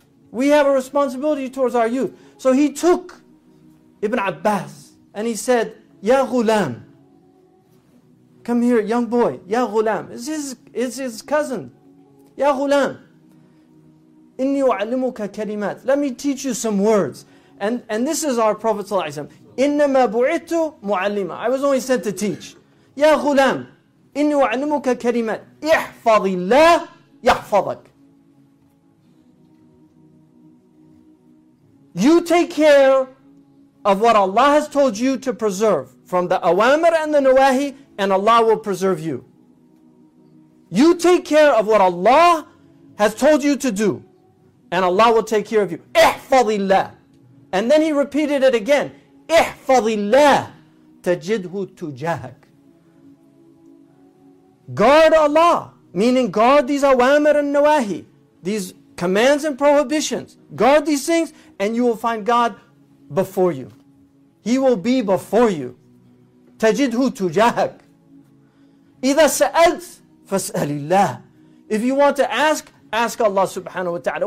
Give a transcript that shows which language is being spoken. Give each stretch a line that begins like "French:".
English: We have a responsibility towards our youth. So he took Ibn Abbas and he said, Ya Ghulam, come here, young boy. Ya Ghulam, it's his cousin.
Arabic: Ya Ghulam, إِنِّي أُعَلِّمُكَ كَلِمَاتٍ.
English: Let me teach you some words. And this is our Prophet Sallallahu Alaihi Wasallam.
Arabic: إِنَّمَا بُعِتُ مُعَلِّمًا.
English: I was only sent to teach.
Arabic: Ya Ghulam, إِنِّي أُعَلِّمُكَ كَلِمَاتٍ. إِحْفَظِ اللَّهِ يحفظك.
English: You take care of what Allah has told you to preserve from the awamir and the nawahi, and Allah will preserve you. You take care of what Allah has told you to do, and Allah will take care of you.
Arabic: احفظ الله.
English: And then he repeated it again.
Arabic: احفظ الله تجده تجاهك.
English: Guard Allah meaning guard these awamir and nawahi, these commands and prohibitions. Guard these things and you will find God before you. He will be before you.
Arabic: تَجِدْهُ تُجَاهَكْ إِذَا سَأَلْتْ فَاسْأَلِ اللَّهِ
English: If you want to ask, ask Allah subhanahu wa ta'ala.